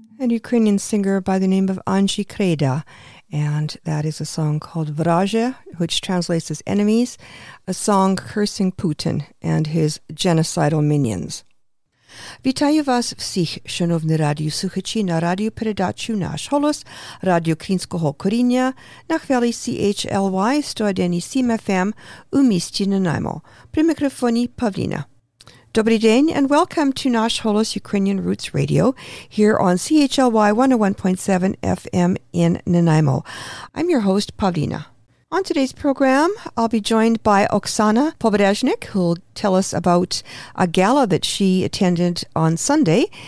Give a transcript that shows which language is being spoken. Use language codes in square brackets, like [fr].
[en] Ukrainian singer by the name of Anji Kreda, and that is a song called Vraje, which translates as enemies, a song cursing Putin and his genocidal minions. [uk] Вітаю вас всіх, шановні радіослухачі, на радіопередачі «Наш голос», радіо українського коріння, на хвилі CHLY 101.7 FM у місті Нанаймо. При мікрофоні Павліна. Добрий день [en] and welcome to Nash Holos Ukrainian Roots Radio here on CHLY 101.7 FM in Nanaimo. I'm your host, Pavlina. On today's program, I'll be joined by Oksana Pobrezhnik, who'll tell us about a gala that she attended on Sunday.